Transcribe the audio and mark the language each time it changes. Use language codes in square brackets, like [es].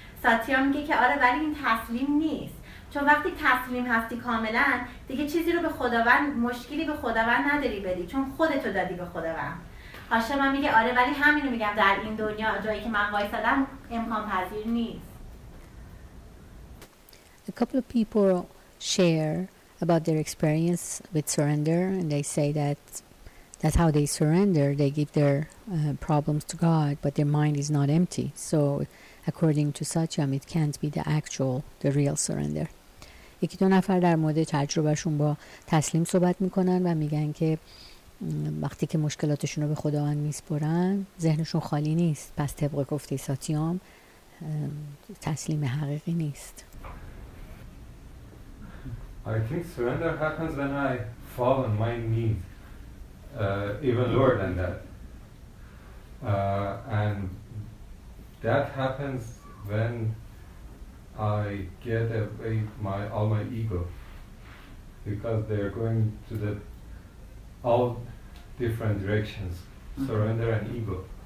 [fa] ساتیا میگه که آره، ولی این تسلیم نیست، چون وقتی تسلیم هستی کاملا دیگه چیزی رو به خداوند، مشکلی به خداوند نداری بدی، چون خودتو دادی به خداوند. هاشم هم میگه آره، ولی همینو میگم، در این دنیا جایی که من وایسادم امکان پذیر نیست. [en] A couple of people share about their experience with surrender, and they say that that's how they surrender. They give their problems to God, but their mind is not empty. So according to Satyam, it can't be the real surrender. [fa] یکی دو نفر در مورد تجربهشون با تسلیم صحبت میکنن و میگن که وقتی که مشکلاتشون رو به خداوند میسپرن ذهنشون خالی نیست، پس طبق گفته ساتیام تسلیم حقیقی نیست. [en] I think surrender happens when I fall on my knees, even lower than that. And that happens when I get away all my ego, because they're going to the all different directions, surrender and ego.